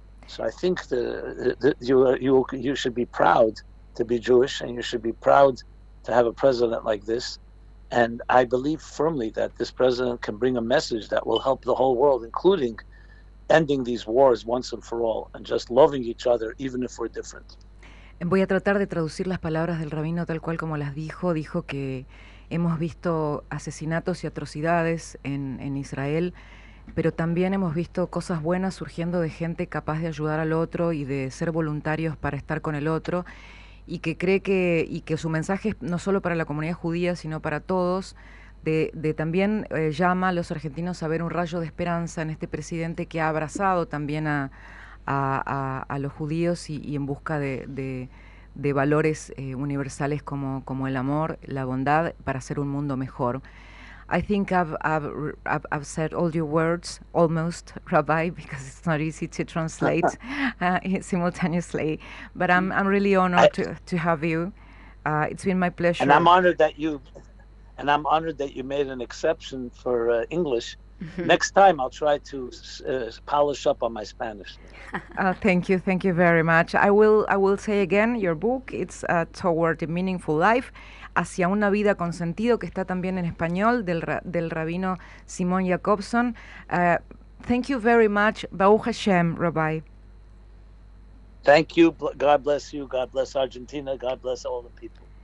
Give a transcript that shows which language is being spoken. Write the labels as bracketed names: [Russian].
[English] So I think you should be proud to be Jewish, and you should be proud to have a president like this. And I believe firmly that this president can bring a message that will help the whole world, including ending these wars once and for all, and just loving each other, even if we're different. [Spanish] Voy a tratar de traducir las palabras del rabino tal cual como las dijo. Dijo que hemos visto asesinatos y atrocidades en Israel, pero también hemos visto cosas buenas surgiendo de gente capaz de ayudar al otro y de ser voluntarios para estar con el otro, y que cree que y que su mensaje es no solo para la comunidad judía, sino para todos, de también llama a los argentinos a ver un rayo de esperanza en este presidente que ha abrazado también a los judíos y en busca de valores universales como el amor, la bondad, para hacer un mundo mejor. [English] I think I've said all your words almost, Rabbi, because it's not easy to translate simultaneously. But I'm really honored to have you. It's been my pleasure. And I'm honored that you made an exception for English. Next time I'll try to polish up on my Spanish. Thank you very much. I will say again your book. It's Toward a Meaningful Life. [Spanish] Hacia una vida con sentido, que está también en español, del rabino Simon Jacobson. [English] Thank you very much. [Hebrew] Baruch Hashem, [English] Rabbi. Thank you. God bless you. God bless Argentina. God bless all the people.